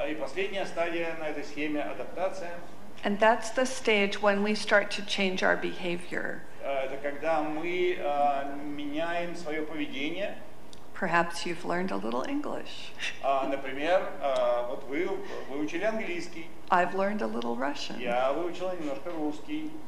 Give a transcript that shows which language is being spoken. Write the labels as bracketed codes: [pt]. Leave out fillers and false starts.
[ru] И последняя стадия на этой схеме — адаптация. [en] And that's the stage when we start to change our behavior. [ru] Это когда мы меняем свое поведение. [en] Perhaps you've learned a little English. [ru] Например, вот вы выучили английский. [en] I've learned a little Russian. [ru] Я выучила немножко русский.